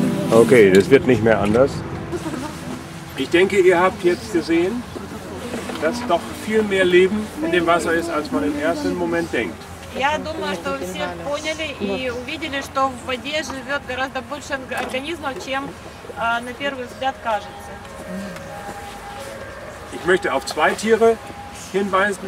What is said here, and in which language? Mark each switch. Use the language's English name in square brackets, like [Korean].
[German] Okay, das wird nicht mehr anders. Ich denke, ihr habt jetzt gesehen, dass doch viel mehr Leben in dem Wasser ist, als man im ersten Moment denkt. [Russian] Я думаю, что вы все поняли и увидели, что в воде живет гораздо больше организмов, чем на первый взгляд кажется. [German] Ich möchte auf zwei Tiere hinweisen.